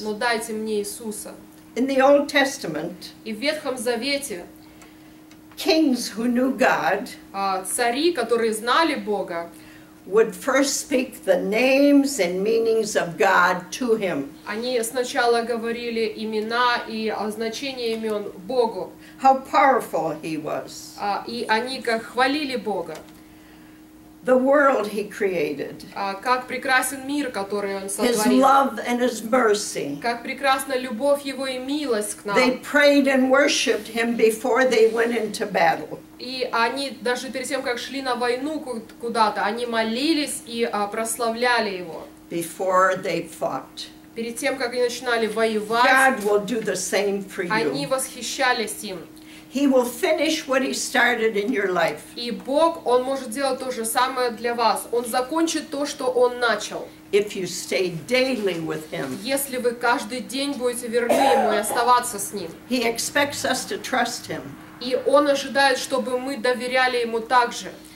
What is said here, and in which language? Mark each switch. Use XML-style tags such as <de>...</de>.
<ru>Но дайте мне Иисуса.</ru> <en>In the Old Testament,</en> <ru>и в Ветхом Завете,</ru> <en>kings who knew God,</en> <ru>цари, которые знали Бога,</ru> <en>would first speak the names and meanings of God to him.</en> <ru>Они сначала говорили имена и значения имен Богу.</ru> <en>How powerful he was.</en> <ru>И они как хвалили Бога.</ru> <en>The world he created.</en> <ru>Как прекрасен мир, который он сотворил.</ru> <en>His love and his mercy.</en> <ru>Как прекрасна любовь его и милость к нам.</ru> <en>They prayed and worshiped him before they went into battle.</en> <ru>И они даже перед тем, как шли на войну куда-то, они молились и прославляли его.</ru> <en>Before they fought.</en> <ru>Перед тем, как они начинали воевать,</ru> <en>God will do the same for you.</en> <ru>Они восхищались им.</ru> <en>He will finish what he started in your life.</en> <ru>И Бог, он может делать то же самое для вас. Он закончит то, что он начал.</ru> <en>If you stay daily with him.</en> <ru>Если вы каждый день будете верны ему и оставаться с ним.</ru> <en>He expects us to trust him.</en> <ru>И он ожидает, чтобы мы доверяли ему также.</ru>